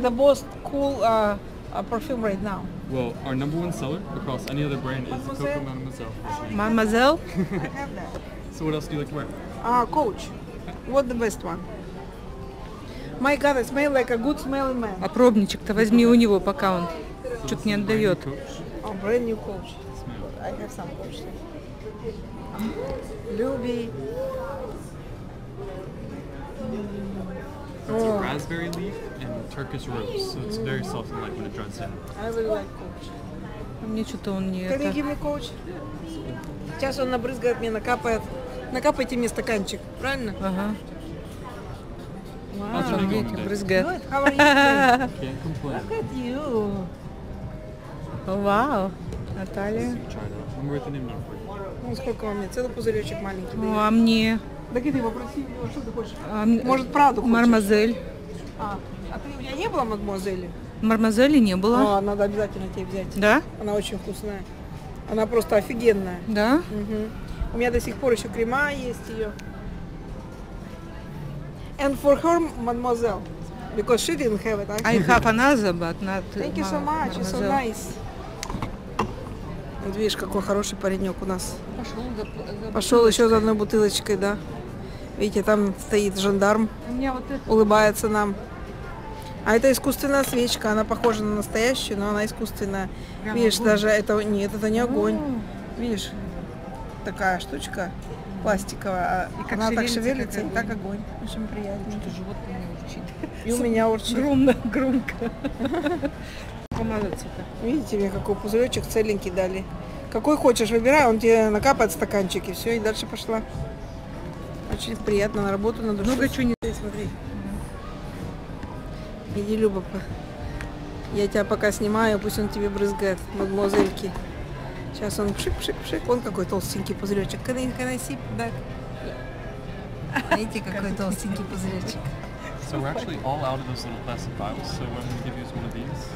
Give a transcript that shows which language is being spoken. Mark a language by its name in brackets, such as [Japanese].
[English] The most cool perfume right now. Well, our number one seller across any other brand is Coco Mademoiselle. Mademoiselle? I have that. So what else do you like to wear? Coach. What the best one? My God, I smell like a good smelling man. [Russian] А пробничек-то возьми у него, пока он что-то не отдает. [English] Brand new Coach. Brand new Coach. I have some Coach. [Russian] Люби. [English] It's a raspberry leaf and Turkish rose, so it's very soft and light when it dries in. I really like Coach. [Russian] Мне что-то он не [English] Can [Russian] это. [English] Can you give me Coach? [Russian] Сейчас он набрызгает мне, накапает. Накапайте мне стаканчик, правильно? Ага. Вау, wow. Мне это брызгает. [English] Good, how are you? Can't complain. Look at you. [Russian] Вау, Наталья. I'm worth an invite. Ну, сколько он мне? Целый пузыречек маленький. Ну, а мне? Так и ты попроси, что ты хочешь? Может, Праду хочешь? Мармазель. А ты, у меня не было мадемуазели? Мармазели не было. О, надо обязательно тебе взять. Да? Она очень вкусная. Она просто офигенная. Да? Угу. У меня до сих пор еще крема есть ее. [English] And for her, mademoiselle. Because she didn't have it, actually. I have another, but not... Thank you so much, it's so nice. [Russian] Вот видишь, какой хороший паренек у нас. Пошел еще за одной бутылочкой, да. Видите, там стоит жандарм, вот это... улыбается нам. А это искусственная свечка, она похожа на настоящую, но она искусственная. Прямо видишь, огонь. Даже это... Нет, это не огонь. О-о-о. Видишь, такая штучка пластиковая, и как она так шевелится, как и так огонь. Очень приятно. Что-то животное у меня урчит. И у меня урчит. Громко. Помазаться-то. Видите, мне какой пузыречек целенький дали. Какой хочешь, выбирай, он тебе накапает стаканчик, и все, и дальше пошла. Очень приятно, на работу, на душу. Много чего не дай, смотри. Иди, Люба, я тебя пока снимаю, пусть он тебе брызгает, мадемуазельки. Сейчас он пшик-пшик-пшик, он какой толстенький пузыречек. [English] Can I see that? [Russian] Видите, какой толстенький пузыречек. [English] So we're actually all out of those little plastic vials, so I'm going to give you one of these.